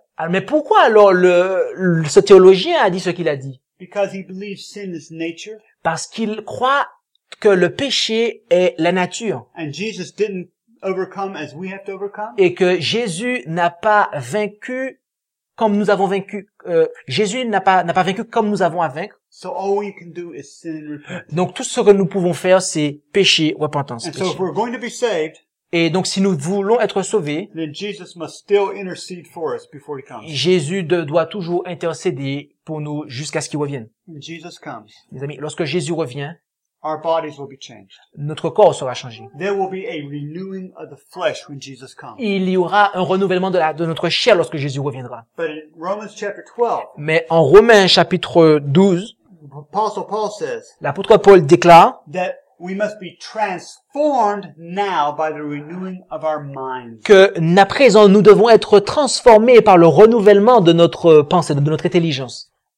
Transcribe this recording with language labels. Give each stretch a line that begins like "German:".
French: Mais pourquoi alors ce théologien a dit ce qu'il a dit?
English: Because he believes sin is nature.
French: Parce qu'il croit que le péché est la nature.
English: And Jesus didn't overcome as we have to overcome.
French: Et que Jésus n'a pas vaincu comme nous avons vaincu. Jésus n'a pas vaincu comme nous avons à vaincre.
English: So all we can do is sin and repentance.
French: Donc tout ce que nous pouvons faire, c'est péché, repentance.
English: And so if we're going to be saved,
French: et donc si nous voulons être sauvés,
English: then Jesus must still intercede for us before he comes.
French: Jésus doit toujours intercéder pour nous jusqu'à ce qu'il revienne.
English: Jesus comes,
French: mes amis, lorsque Jésus revient,
English: our bodies will be changed.
French: Notre corps sera changé.
English: There will be a renewing of the flesh when Jesus comes.
French: Il y aura un renouvellement de notre chair lorsque Jésus reviendra.
English: But in Romans chapter 12,
French: mais en Romains chapitre 12, l'apôtre
English: Paul says,
French: l'apôtre Paul déclare
English: that we must be transformed now by the renewing of our minds.
French: Que à présent nous devons être transformés par le renouvellement de notre pensée, de notre intelligence.